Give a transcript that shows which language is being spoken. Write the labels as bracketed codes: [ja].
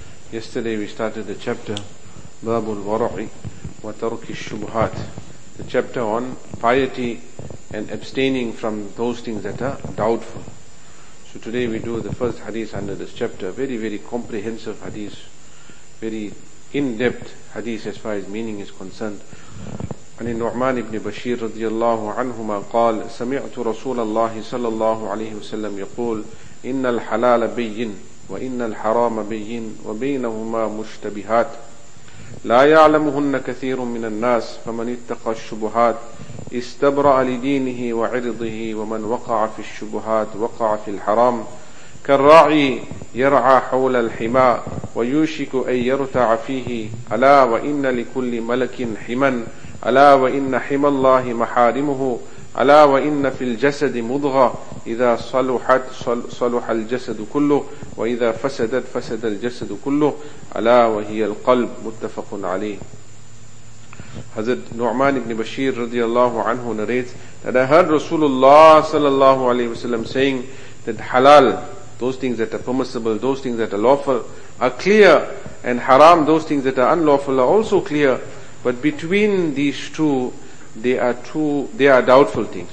[en] Yesterday we started the chapter Babul Wara'i wa Tarki Shubhat, the chapter on piety and abstaining from those things that are doubtful. So today we do the first hadith under this chapter. Very, very comprehensive hadith, very in-depth hadith as far as meaning is concerned. [ar] عن النعمان بن بشير رضي الله عنهما قال سمعت رسول الله صلى الله عليه وسلم يقول إن الحلال بين وإن الحرام بين وبينهما مشتبهات لا يعلمهن كثير من الناس فمن اتقى الشبهات استبرأ لدينه وعرضه ومن وقع في الشبهات وقع في الحرام كالراعي يرعى حول الحما ويوشك أن يرتع فيه ألا وإن لكل ملك حما ألا وإن حما الله محارمه ألا وإن في الجسد مضغة إذا صلحت صلح الجسد كله وإذا فسدت فسد الجسد كله ألا وهي القلب متفق عليه. [en] Hazrat Nu'man ibn Bashir radiallahu anhu narrates that I heard Rasulullah sallallahu alayhi wa sallam saying that halal, those things that are permissible, those things that are lawful are clear, and haram, those things that are unlawful are also clear. But between these two, they are doubtful things.